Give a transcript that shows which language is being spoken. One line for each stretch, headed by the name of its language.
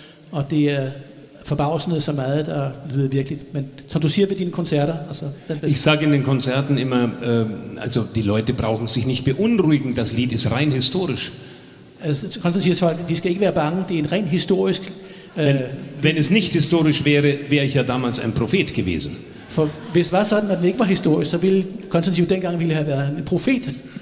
Danish: Og det er forbavsende så meget, der lyder virkelig. Men som du siger ved dine koncerter. Altså,
German: ich sage in den Konzerten immer, also die Leute brauchen sich nicht beunruhigen, das Lied ist rein historisch.
Danish: Konstantin siger zwar, de skal ikke være bange, det er en rent historisk.
German: Wenn es nicht historisch wäre, wäre ich ja damals ein Prophet gewesen.
Danish: For hvis det var sådan, at den ikke var historisk, så ville Konstantin dengang ville have været en profet.